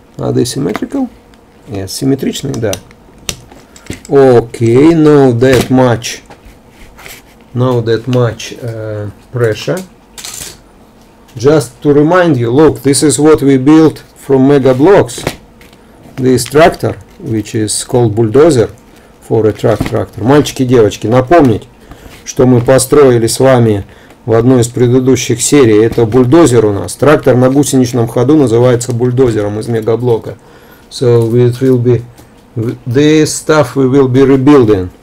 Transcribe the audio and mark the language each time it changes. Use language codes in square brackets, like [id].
[en] Are they symmetrical? Yes, симметричный, да. Okay, not that much. Now that much pressure. Just to remind you, look, this is what we built from Mega Blocks. This tractor, which is called bulldozer for a truck tractor. [ru] Мальчики, девочки, напомнить, что мы построили с вами в одной из предыдущих серий. Это бульдозер у нас. Трактор на гусеничном ходу называется бульдозером из Mega Block. [en] So it will be this stuff we will be rebuilding.